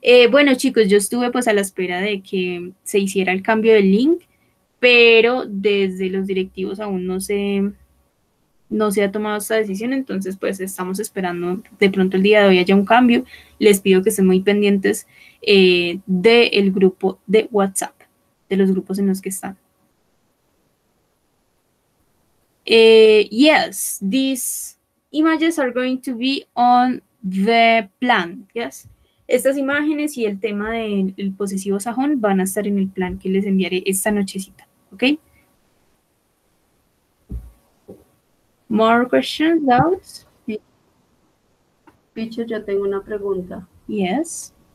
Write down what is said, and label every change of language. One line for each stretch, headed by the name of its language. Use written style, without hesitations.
Spanish: Bueno, chicos, yo estuve pues a la espera de que se hiciera el cambio del link, pero desde los directivos aún no se ha tomado esta decisión, entonces pues estamos esperando de pronto el día de hoy haya un cambio. Les pido que estén muy pendientes del grupo de WhatsApp, de los grupos en los que están.
English: Yes, these images are going to be on the plan, yes.
Spanish: Estas imágenes y el tema del posesivo sajón van a estar en el plan que les enviaré esta nochecita, ¿ok?
English: More questions, doubts?
Spanish: Teacher, yo tengo una pregunta.
English: Yes.